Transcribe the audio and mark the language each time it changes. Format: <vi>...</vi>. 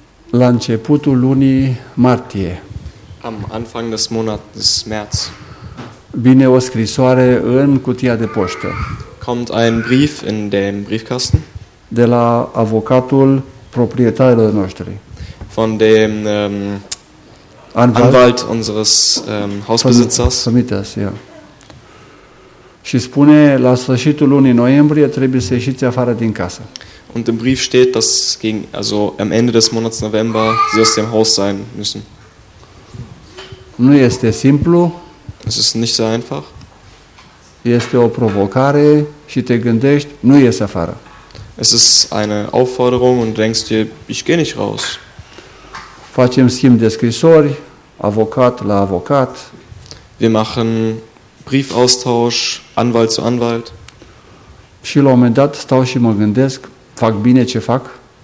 <ro>La începutul lunii martie.</ro> <de>Am Anfang des Monats März.</de> <ro>Vine o scrisoare în cutia de poștă.</ro> <de>Kommt ein Brief in dem Briefkasten.</de> <ro>De la avocatul proprietarilor noștri.</ro> <de>Von dem Anwalt unseres Hausbesitzers. Vermieters, ja.</de> <ro>Și spune la sfârșitul lunii noiembrie trebuie să ieșiți afară din casă.</ro> <de>Und im Brief steht, dass gegen, also am Ende des Monats November sie aus dem Haus sein müssen.</de> <ro>Nu este simplu.</ro> <de>Es ist nicht so einfach.</de> <ro>Este o provocare și te gândești, nu ies afară.</ro> <de>Es ist eine Aufforderung und denkst dir, ich gehe nicht raus.</de> <ro>Facem schimb de scrisori, avocat la avocat.</ro> <de>Wir machen Briefaustausch, Anwalt zu Anwalt.</de> <ro>Și la un moment dat stau și mă gândesc, fac bine ce fac?</ro>